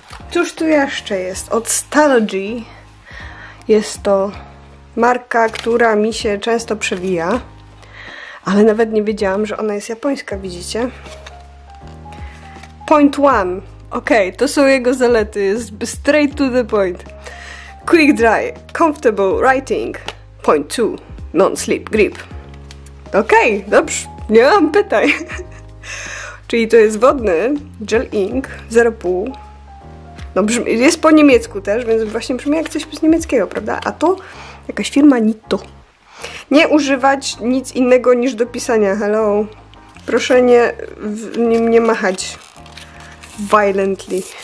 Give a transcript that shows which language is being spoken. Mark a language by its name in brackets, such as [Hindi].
[Polish] Cóż tu jeszcze jest? Od Stalogy. Jest to marka, która mi się często przewija. Ale nawet nie wiedziałam, że ona jest japońska, widzicie? [English] Point one. [Polish] Okej, okay, to są jego zalety. Jest [English] straight to the point. Quick dry, comfortable writing. Point two. Non-slip grip. [Polish] Okej, okay, dobrze, nie mam pytań. Czyli to jest wodny gel ink, 0,5. No brzmi, jest po niemiecku też, więc właśnie brzmi jak coś z niemieckiego, prawda? A to jakaś firma Nitto. Nie używać nic innego niż do pisania, hello. Proszę nie, nie machać violently.